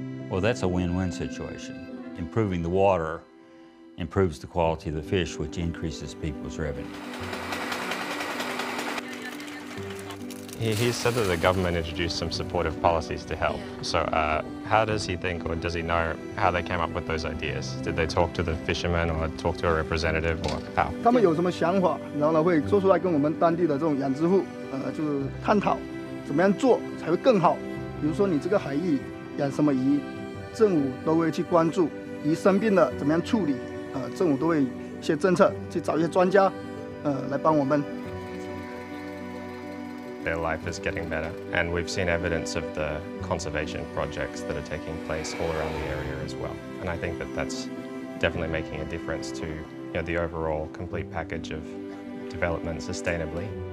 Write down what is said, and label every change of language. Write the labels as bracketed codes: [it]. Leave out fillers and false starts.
[en] Well, that's a win-win situation. Improving the water improves the quality of the fish, which increases people's revenue. He said that the government introduced some supportive policies to help. So how does he think, or does he know how they came up with those ideas? Did they talk to the fishermen or talk to a representative or how? [zh] 他们有什么想法，然后呢会做出来跟我们当地的这种养殖户，就是探讨怎么样做才会更好。比如说你这个海域养什么鱼，政府都会去关注。鱼生病了怎么样处理，政府都会一些政策去找一些专家，来帮我们。 [en] Their life is getting better, and we've seen evidence of the conservation projects that are taking place all around the area as well. And I think that that's definitely making a difference to, you know, the overall complete package of development sustainably.